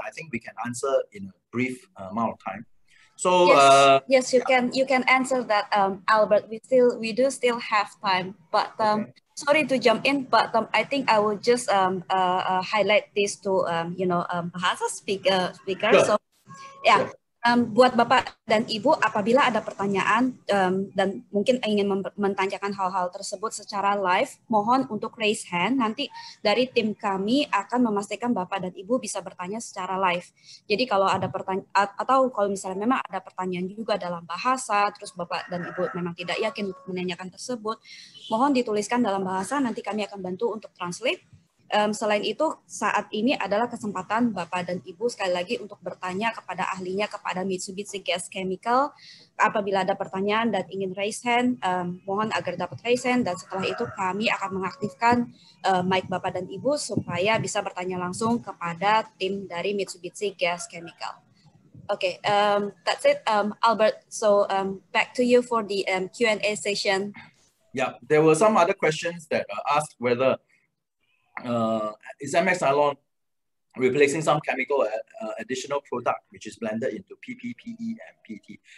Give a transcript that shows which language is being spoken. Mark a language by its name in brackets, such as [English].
[English] I think we can answer in a brief amount of time. So yes, you can answer that, Albert. We do still have time, but sorry to jump in, but I think I will just highlight this to bahasa speaker. Sure. So yeah, sure. [Indonesian] Buat Bapak dan Ibu, apabila ada pertanyaan dan mungkin ingin menanyakan hal-hal tersebut secara live, mohon untuk raise hand. Nanti dari tim kami akan memastikan Bapak dan Ibu bisa bertanya secara live. Jadi kalau ada pertanyaan atau kalau misalnya memang ada pertanyaan juga dalam bahasa, terus Bapak dan Ibu memang tidak yakin menanyakan tersebut, mohon dituliskan dalam bahasa, nanti kami akan bantu untuk translate. Selain itu, saat ini adalah kesempatan Bapak dan Ibu sekali lagi untuk bertanya kepada ahlinya, kepada Mitsubishi Gas Chemical. Apabila ada pertanyaan dan ingin raise hand, mohon agar dapat raise hand. Dan setelah itu kami akan mengaktifkan mic Bapak dan Ibu supaya bisa bertanya langsung kepada tim dari Mitsubishi Gas Chemical. [English] Okay, that's it, Albert. So back to you for the Q&A session. Yeah, there were some other questions that asked whether is MX nylon replacing some chemical additional product which is blended into PPPE and PET?